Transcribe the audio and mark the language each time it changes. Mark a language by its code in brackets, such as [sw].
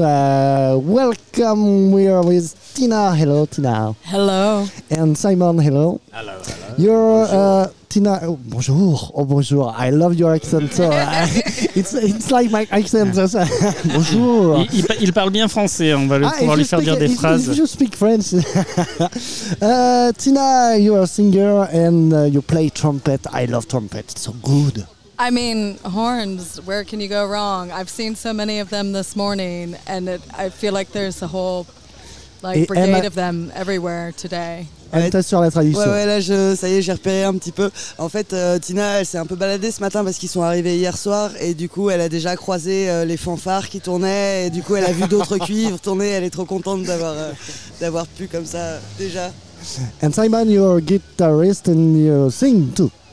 [en] Welcome, we are with Tina. Hello, Tina. Hello. And Simon, hello. Hello. You're Tina. Oh, bonjour. Oh, bonjour. I love your accent. it's like my accent. Bonjour. [fr] Il parle bien français. On va pouvoir lui faire dire des phrases. [en] If you speak French. Tina, you're a singer and you play trumpet. I love trumpet. It's so good. I mean, horns, where can you go wrong? I've seen so many of them this morning and I feel like there's a whole brigade of them everywhere today. [fr] Elle était sur la traduction. Ouais, ouais, là, j'ai repéré un petit peu. En fait, Tina, elle s'est un peu baladée ce matin parce qu'ils sont arrivés hier soir. Et du coup, elle a déjà croisé les fanfares qui tournaient. Et du coup, elle a vu d'autres cuivres tourner. Elle est trop contente d'avoir pu comme ça, déjà. [en] And Simon, you're a guitarist and you sing too.